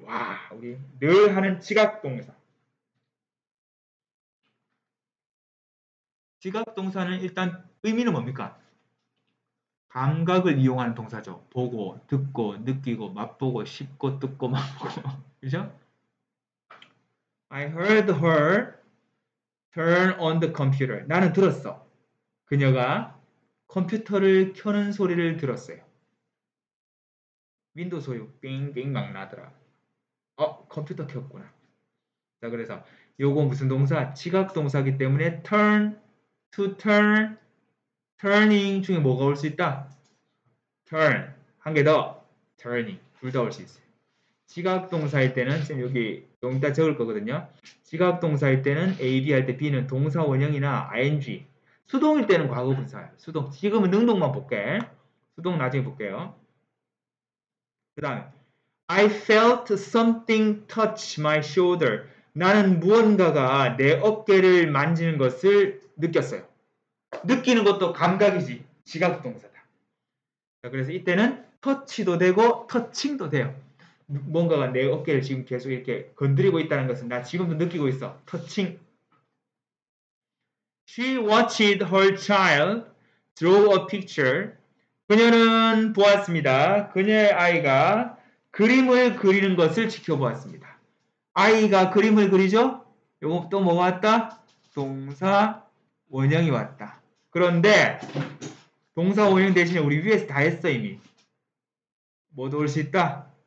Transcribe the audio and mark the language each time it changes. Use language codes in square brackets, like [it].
[ko] 와, 우리 늘 하는 지각동사. 지각동사는 일단 의미는 뭡니까? 감각을 이용하는 동사죠. 보고, 듣고, 느끼고, 맛보고, 씹고, 뜯고, 맛보고. 그죠? [en] I heard her turn on the computer. [ko] 나는 들었어. 그녀가 컴퓨터를 켜는 소리를 들었어요. 윈도우 소리 빙빙 막 나더라. 어, 컴퓨터 켰구나. 자, 그래서 요거 무슨 동사? 지각동사이기 때문에 turn, to turn, turning 중에 뭐가 올 수 있다? turn, 한 개 더, turning, 둘 다 올 수 있어요. 지각동사일 때는, 지금 여기 여기다 적을 거거든요. 지각동사일 때는 AB 할 때 B는 동사 원형이나 ING, 수동일 때는 과거분사예요. 수동, 지금은 능동만 볼게. 수동 나중에 볼게요. 그 다음에 [en] I felt something touch my shoulder. [ko] 나는 무언가가 내 어깨를 만지는 것을 느꼈어요. 느끼는 것도 감각이지. 지각동사다. 자, 그래서 이때는 터치도 되고 터칭도 돼요. 무언가가 내 어깨를 지금 계속 이렇게 건드리고 있다는 것은 나 지금도 느끼고 있어. 터칭. [en] She watched her child draw a picture. [ko] 그녀는 보았습니다. 그녀의 아이가 그림을 그리는 것을 지켜보았습니다. 아이가 그림을 그리죠? 요거 또 뭐가 왔다? 동사 원형이 왔다. 그런데 동사 원형 대신에 우리 위에서 다 했어 이미. 뭐도 올 수 있다?